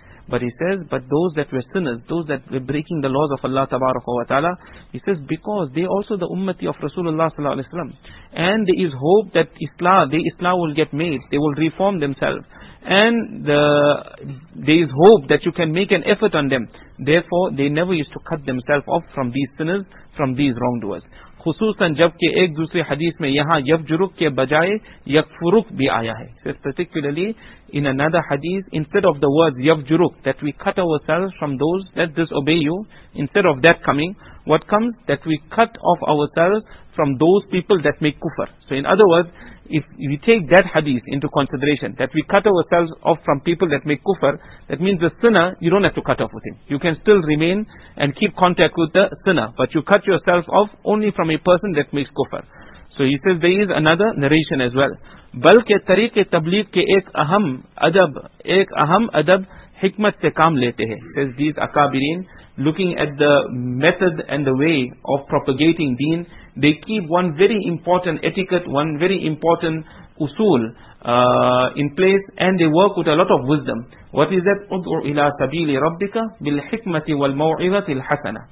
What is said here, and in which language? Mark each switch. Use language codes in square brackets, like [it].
[en] But he says, but those that were sinners, those that were breaking the laws of Allah tabaraka wa ta'ala, he says, because they also the ummati of Rasulullah sallallahu alaihi wasallam, and there is hope that Islam will get made, they will reform themselves, and there is hope that you can make an effort on them. Therefore, they never used to cut themselves off from these sinners, from these wrongdoers. [ur] خصوصاً جبکہ ایک دوسرے حدیث میں یہاں یفجرک کے بجائے یکفرک بھی آیا ہے. [en] So particularly in another hadith, instead of the word یفجرک, that we cut ourselves from those that disobey you, instead of that coming, what comes? That we cut off ourselves from those people that make kufr. So in other words, if we take that hadith into consideration, that we cut ourselves off from people that make kufr, that means the sinner, you don't have to cut off with him. You can still remain and keep contact with the sinner, but you cut yourself off only from a person that makes kufr. So he says there is another narration as well. [ur] بلکہ طریقِ تبلیغ کے ایک اہم ادب حکمت سے کام لیتے ہیں. [en] Says these akabirin, looking at the method and the way of propagating deen, they keep one very important etiquette, one very important usul in place, and they work with a lot of wisdom. What is that? [ar] Udu ila sabili rabbika bil hikmati wal maw'izati al hasana.